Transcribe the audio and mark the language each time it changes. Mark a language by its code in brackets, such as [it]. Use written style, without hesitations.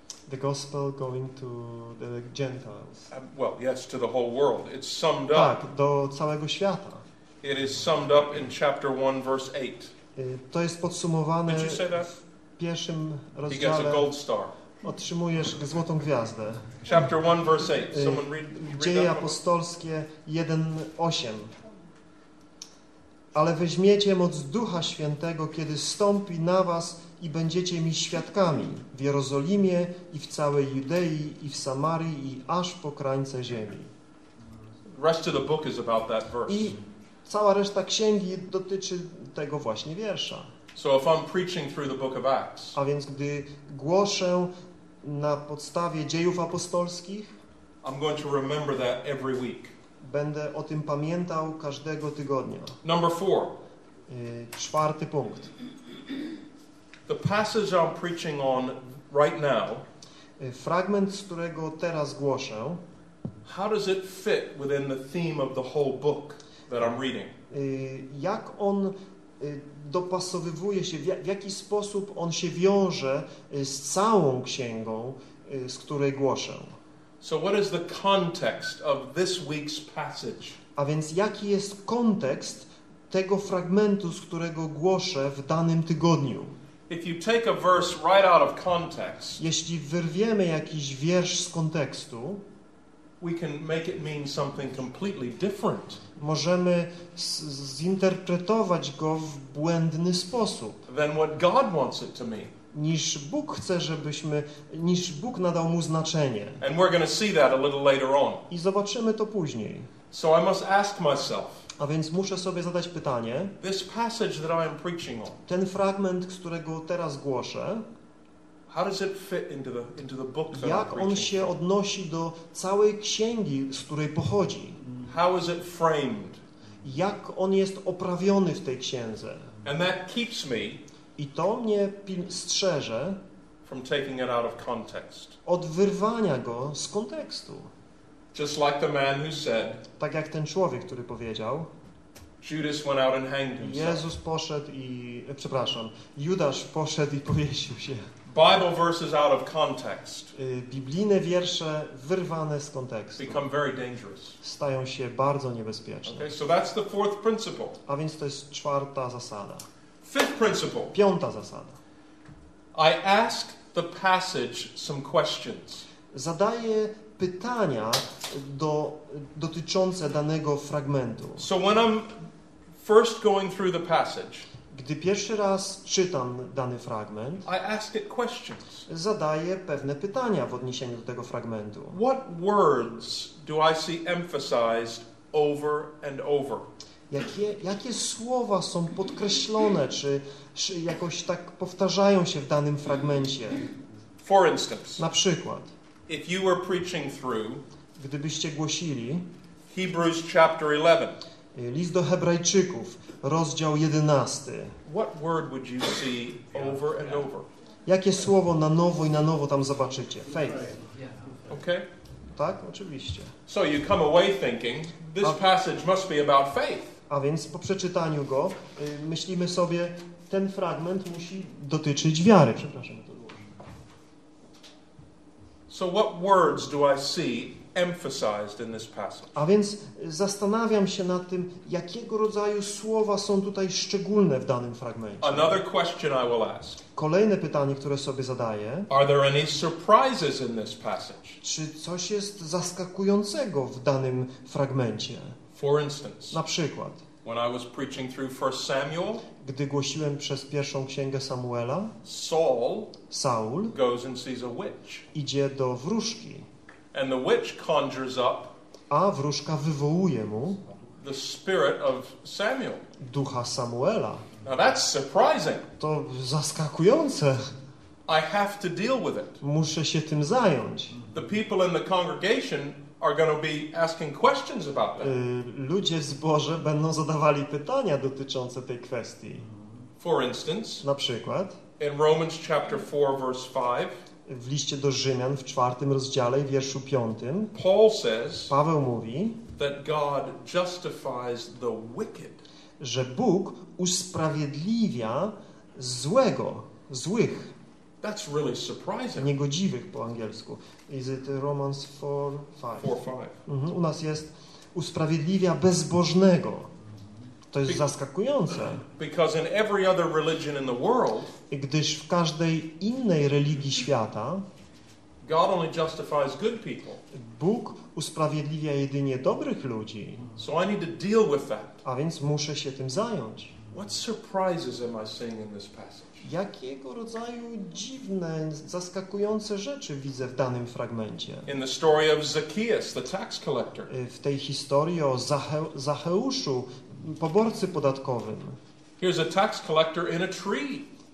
[en] The gospel going to the Gentiles. Well, yes, to the whole world. It's summed up. [pl] Tak, do całego świata. [en] It is summed up in chapter 1, verse 8. [pl] To jest podsumowane w pierwszym rozdziale. [en] He gets a gold star. [pl] Otrzymujesz złotą gwiazdę. [en] Chapter 1, verse 8. Someone read [pl] Dzieje Apostolskie 1:8. Ale weźmiecie moc Ducha Świętego, kiedy stąpi na was i będziecie mi świadkami w Jerozolimie i w całej Judei i w Samarii i aż po krańce ziemi. [en] Rest of the book is about that verse. [pl] I cała reszta księgi dotyczy tego właśnie wiersza. [en] So if I'm preaching through the book of Acts, [pl] a więc gdy głoszę na podstawie Dziejów Apostolskich, [en] I'm going to remember that every week. [pl] Będę o tym pamiętał każdego tygodnia. [en] Number four. [pl] Czwarty punkt. [en] The passage I'm preaching on right now. [pl] Fragment, z którego teraz głoszę. [en] How does it fit within the theme of the whole book that I'm reading? [pl] Jak on dopasowywuje się, w jaki sposób on się wiąże z całą księgą, z której głoszę? [en] So what is the context of this week's passage? [pl] A więc jaki jest kontekst tego fragmentu, z którego głoszę w danym tygodniu? [en] If you take a verse right out of context, [pl] jeśli wyrwiemy jakiś wiersz z kontekstu, [en] we can make it mean something completely different. [pl] Możemy zinterpretować go w błędny sposób. [en] Than what God wants it to mean. [pl] Niż Bóg chce, żebyśmy, niż Bóg nadał mu znaczenie. [en] And we're going to see that a little later on. [pl] I zobaczymy to później. [en] So I must ask myself. [pl] A więc muszę sobie zadać pytanie. [en] This passage that I am preaching on. [pl] Ten fragment, z którego teraz głoszę. [en] How does it fit into the book that [pl] Jak [en] I'm [pl] on się odnosi do całej księgi, z której pochodzi? [en] How is it framed? [pl] Jak on jest oprawiony w tej księdze? [en] And that keeps me [pl] I to mnie strzeże [en] from taking it out of context. [pl] Od wyrwania go z kontekstu. [en] Just like the man who said, [pl] tak jak ten człowiek, który powiedział, [en] Judas went out and hanged himself. [pl] Jezus poszedł i, przepraszam, Judasz poszedł i powiesił się. [en] Bible verses out of context. [pl] Biblijne wiersze wyrwane z kontekstu. [en] Become very dangerous. [pl] Stają się bardzo niebezpieczne. [en] Okay, so that's the fourth principle. [pl] A więc to jest czwarta zasada. [en] Fifth principle. [pl] Piąta zasada. [en] I ask the passage some questions. [pl] Zadaję pytania dotyczące danego fragmentu. [en] So when I'm first going through the passage, [pl] gdy pierwszy raz czytam dany fragment, [en] I ask it questions. [pl] Zadaję pewne pytania w odniesieniu do tego fragmentu. [en] What words do I see emphasized over and over? [pl] Jakie słowa są podkreślone, czy jakoś tak powtarzają się w danym fragmencie? [en] For instance, [pl] na przykład, [en] if you were preaching through, [pl] gdybyście głosili [en] Hebrews chapter 11. [pl] List do Hebrajczyków, rozdział 11. [en] What word would you see over and over? [pl] Jakie słowo na nowo i na nowo tam zobaczycie? [en] Faith. Okay. [pl] Tak, oczywiście. [en] So you come away thinking this passage must be about faith. [pl] A więc po przeczytaniu go myślimy sobie, ten fragment musi dotyczyć wiary. Przepraszam, to było. [en] So what words do I see emphasized in this passage? [pl] A więc zastanawiam się nad tym, jakiego rodzaju słowa są tutaj szczególne w danym fragmencie. [en] Another question I will ask. [pl] Kolejne pytanie, które sobie zadaję. [en] Are there any surprises in this passage? [pl] Czy coś jest zaskakującego w danym fragmencie? [en] For instance, [pl] na przykład, [en] when I was preaching through 1 Samuel, [pl] gdy głosiłem przez pierwszą księgę Samuela, [en] Saul goes and sees a witch. [pl] Idzie do wróżki. [en] And the witch conjures up, [pl] a wróżka wywołuje mu [en] the spirit of Samuel. [pl] Ducha Samuela. [en] Now that's surprising. [pl] To zaskakujące. [en] I have to deal with it. [pl] Muszę się tym zająć. [en] The people in the congregation are going to be asking questions about that. [pl] Ludzie w zborze będą zadawali pytania dotyczące tej kwestii. [en] For instance, [pl] na przykład, [en] in Romans chapter 4 verse 5, [pl] w liście do Rzymian w 4 rozdziale i wierszu 5, [en] Paul says, [pl] Paweł mówi, [en] that God justifies the wicked, [pl] że Bóg usprawiedliwia złego, złych. [en] That's really surprising. [pl] Niegodziwych po angielsku. [en] Is it Romans 4:5? 4:5. Mhm. [pl] U nas jest usprawiedliwia bezbożnego. To jest zaskakujące. [en] Because in every other religion in the world, [pl] gdyż w każdej innej religii świata, [en] God only justifies good people. [pl] Bóg usprawiedliwia jedynie dobrych ludzi. [en] So I need to deal with that. [pl] A więc muszę się tym zająć. [en] What surprises am I seeing in this passage? [pl] Jakiego rodzaju dziwne, zaskakujące rzeczy widzę w danym fragmencie? [en] In the story of Zacchaeus, the tax collector. [pl] W tej historii o Zacheuszu, poborcy podatkowym. [en] Here's a tax collector in a tree.